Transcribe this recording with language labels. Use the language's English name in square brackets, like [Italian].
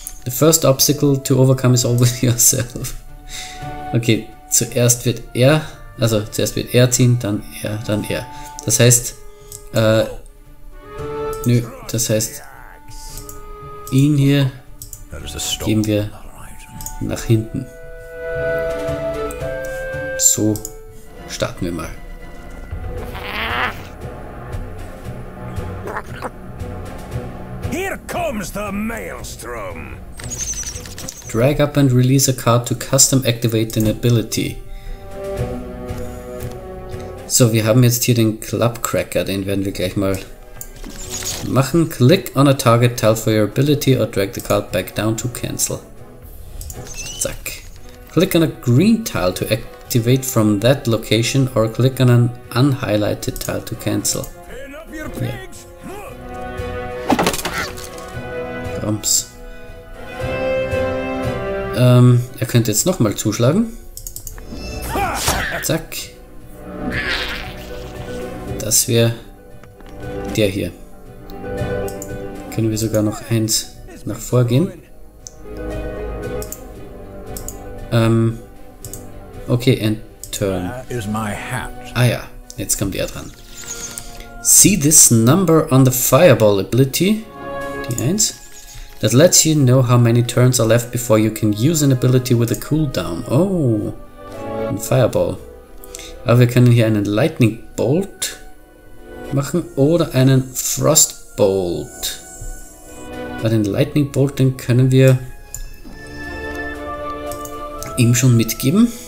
[English] The first obstacle to overcome is always yourself. [German] Okay, zuerst wird er, also zuerst wird er ziehen, dann er. Das heißt, das heißt, ihn hier geben wir nach hinten. So starten wir mal. [English] Here comes the maelstrom. Drag up and release a card to custom activate an ability. [German] So, wir haben jetzt hier den Clubcracker, den werden wir gleich mal machen. [English] Click on a target tile for your ability or drag the card back down to cancel. Zack. Click on a green tile to activate from that location or click on an unhighlighted tile to cancel. Yeah. Bumps. [German] Er könnte jetzt nochmal zuschlagen. Zack. Das wäre der hier. Können wir sogar noch eins nach vorgehen. Okay, [English] and turn. [German] Ah ja, jetzt kommt er dran. [English] See this number on the fireball ability. [German] Die 1. [English] That lets you know how many turns are left before you can use an ability with a cooldown. [German] Oh, ein Fireball. Aber wir können hier einen Lightning Bolt machen oder einen Frostbolt. Bei den Lightning Bolt, den können wir ihm schon mitgeben.